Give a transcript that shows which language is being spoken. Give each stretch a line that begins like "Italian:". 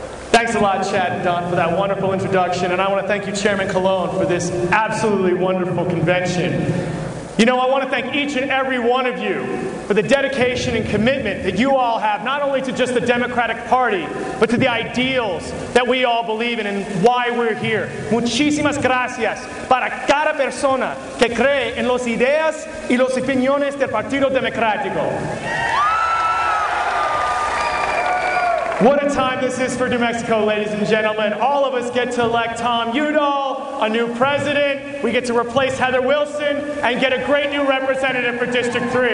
English: Thanks a lot, Chad and Don, for that wonderful introduction. And I want to thank you, Chairman Colon, for this absolutely wonderful convention. You know, I want to thank each and every one of you for the dedication and commitment that you all have, not only to just the Democratic Party, but to the ideals that we all believe in and why we're here.
Spanish: Muchísimas gracias para cada persona que cree en las ideas y las opiniones del Partido Democrático.
English: What a time this is for New Mexico, ladies and gentlemen. All of us get to elect Tom Udall, a new president. We get to replace Heather Wilson and get a great new representative for District 3.